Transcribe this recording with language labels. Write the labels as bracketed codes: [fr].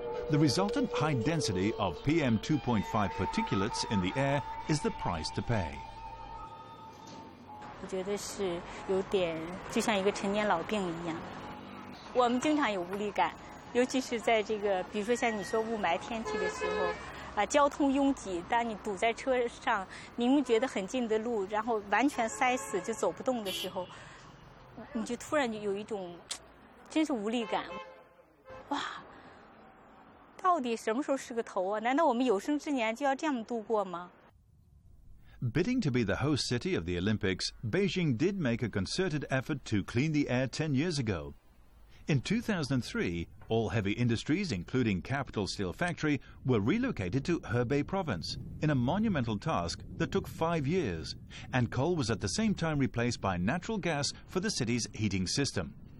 [en] The resultant high density of PM2.5 particulates in the air is the price to pay. I think it's a bit like an old disease. We often have a feeling of weakness, especially in this, for example, when you say rainy weather. [zh] 交通拥挤，当你堵在车上，明明觉得很近的路，然后完全塞死就走不动的时候，你就突然就有一种，真是无力感。哇，到底什么时候是个头啊？难道我们有生之年就要这样度过吗 [en] ？Bidding to be the host city of the Olympics, Beijing did make a concerted effort to clean the air 10 years ago. In 2003, all heavy industries, including Capital Steel Factory, were relocated to Hebei Province in a monumental task that took 5 years, and coal was at the same time replaced by natural gas for the city's heating system.